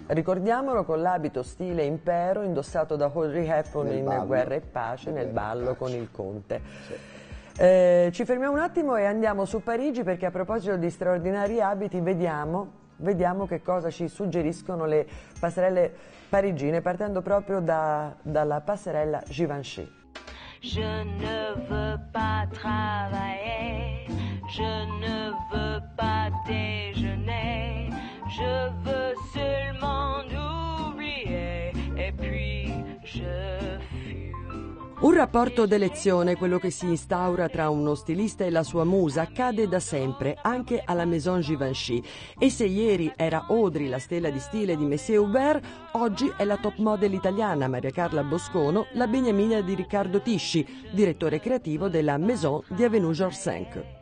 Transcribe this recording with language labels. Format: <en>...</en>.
<it>Ricordiamolo, con l'abito stile impero indossato da Audrey Hepburn in Guerra e Pace, nel ballo con il conte. Sì. Ci fermiamo un attimo e andiamo su Parigi, perché a proposito di straordinari abiti vediamo che cosa ci suggeriscono le passerelle parigine, partendo proprio dalla passerella Givenchy.</it> <fr>Je ne veux pas travailler, je ne veux pas déjeuner, je veux seulement oublier et puis je...</fr> <it>Un rapporto d'elezione, quello che si instaura tra uno stilista e la sua musa, accade da sempre, anche alla Maison Givenchy. E se ieri era Audrey la stella di stile di Monsieur Hubert, oggi è la top model italiana Maria Carla Boscono, la beniamina di Riccardo Tisci, direttore creativo della Maison di Avenue Georges V.</it>